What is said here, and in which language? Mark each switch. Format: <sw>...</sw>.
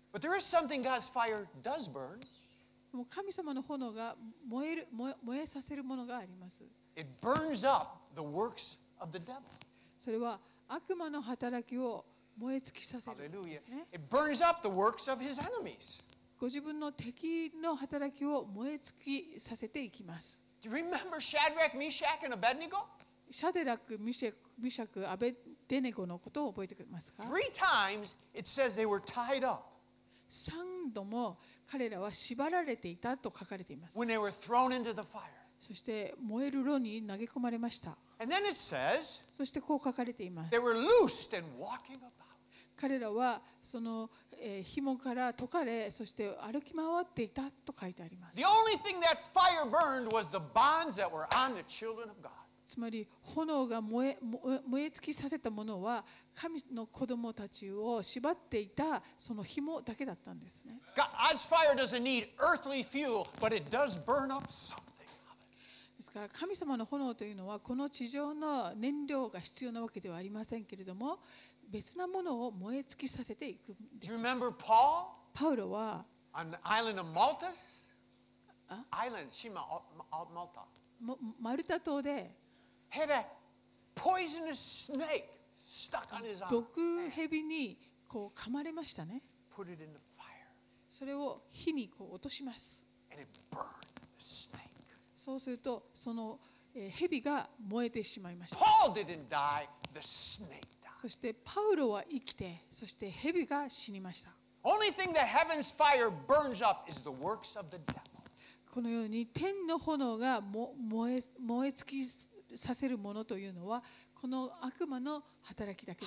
<en>But there is something God's fire does burn.</en> <ja>神様の炎が燃えさせるものがあります。</ja> <en>It burns up the works of the devil.</en> <ja>それは悪魔の働きを燃え尽きさせるんですね。</ja> <en>It burns up the works of his enemies.</en> <ja>ご自分の敵の働きを燃え尽きさせていきます。</ja> <en>Do you remember Shadrach, Meshach, and Abednego?</en> <ja>シャデラク、ミシャク、アベデネゴのことを覚えてますか？</ja> <en>Three times it says they were tied up.</en> <ja>三度も彼らは縛られていたと書かれています。</ja> <en>When they were thrown into the fire.</en> <ja>そして燃える炉に投げ込まれました。</ja> <en>And then it says,</en> <ja>そしてこう書かれています。</ja> <en>They were loosed and walking about.</en> <ja>彼らはその、紐から解かれ、そして歩き回っていたと書いてあります。</ja> <en>The only thing that fire burned was the bonds that were on the children of God.</en> <ja>つまり炎が燃え尽きさせたものは神の子供たちを縛っていたその紐だけだったんですね。</ja> <en>God's fire doesn't need earthly fuel, but it does burn up some.</en> <ja>ですから神様の炎というのはこの地上の燃料が必要なわけではありませんけれども別なものを燃え尽きさせていくんです。</ja> <en>Do you remember Paul?</en> <ja>パウロは</ja> <en>On the island of Malta? Island, 島 Malta.</en> <ja>マルタ島で</ja> <en>Had a poisonous snake stuck on his arm.</en> <ja>毒蛇にこう噛まれましたね。</ja> <en>Put it in the fire.</en> <ja>それを火にこう落とします。</ja> <en>And it burned the snake.</en> <ja>そうするとその蛇が燃えてしまいました。</ja> <en>Paul didn't die, the snake died.</en> <ja>そしてパウロは生きて、そして蛇が死にました。</ja> <en>Only thing that heaven's fire burns up is the works of the devil.</en> <ja>このように天の炎が燃え尽きさせるものというのはこの悪魔の働きだけ。</ja>